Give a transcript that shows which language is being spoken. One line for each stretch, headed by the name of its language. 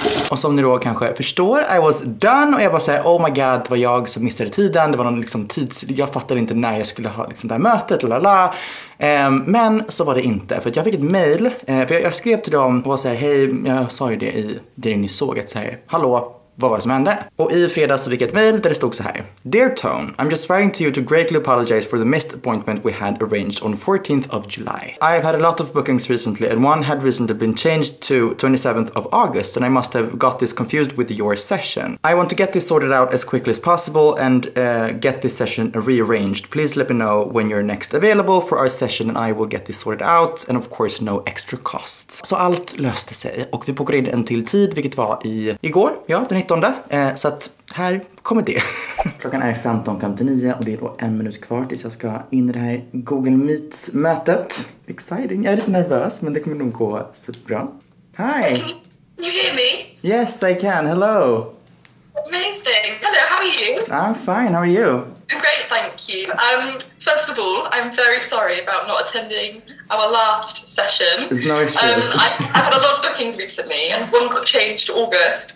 Swedish: Och som ni då kanske förstår,
English: I was done.
Swedish: Och jag bara såhär,
English: oh my god,
Swedish: det var jag som missade tiden. Det var någon liksom tids... Jag fattade inte när jag skulle ha liksom det här mötet, lalala. Men så var det inte. För att jag fick ett mail. För jag skrev till dem och var såhär, hej, jag sa ju det i det ni såg. Att såhär, hallå, vad var det som hände? Och i fredags så fick jag ett mail där det stod så här:
English: Dear Tone, I'm just writing to you to greatly apologize for the missed appointment we had arranged on 14th of July. I have had a lot of bookings recently, and one had recently been changed to 27th of August, and I must have got this confused with your session. I want to get this sorted out as quickly as possible and get this session rearranged. Please let me know when you're next available for our session, and I will get this sorted out, and of course no extra costs.
Swedish: Så allt löste sig, och vi bokade in en till tid, vilket var igår, ja, den 19, så att här kommer det. Klockan är 15:59 och det är då en minut kvar tills jag ska in i det här Google Meets-mötet. Exciting, jag är lite nervös men det kommer nog gå superbra.
English: Hi! Can you hear me? Yes, I can, hello! Amazing, hello, how are you? I'm fine, how are you? I'm great, thank you. First of all, I'm very sorry about not attending our last session. There's no issue. I've had a lot of bookings recently and one got changed to August.